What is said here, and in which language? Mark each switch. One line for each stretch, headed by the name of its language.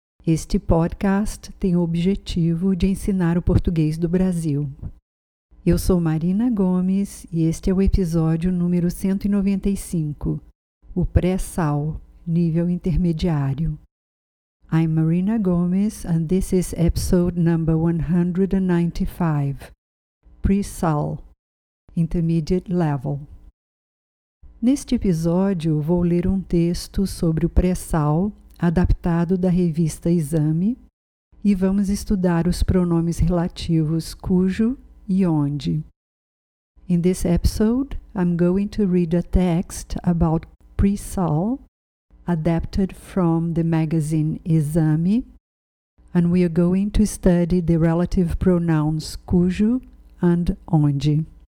Portuguese: Este podcast tem o objetivo de ensinar o português do Brasil. Eu sou Marina Gomes e este é o episódio número 195, o pré-sal, nível intermediário.
English: I'm Marina Gomes and this is episode number 195. Pre-sal, intermediate level.
Portuguese: Neste episódio, vou ler um texto sobre o pré-sal, adaptado da revista Exame, e vamos estudar os pronomes relativos cujo e onde.
English: In this episode, I'm going to read a text about pre-sal, adapted from the magazine Exame, and we are going to study the relative pronouns cujo and onde.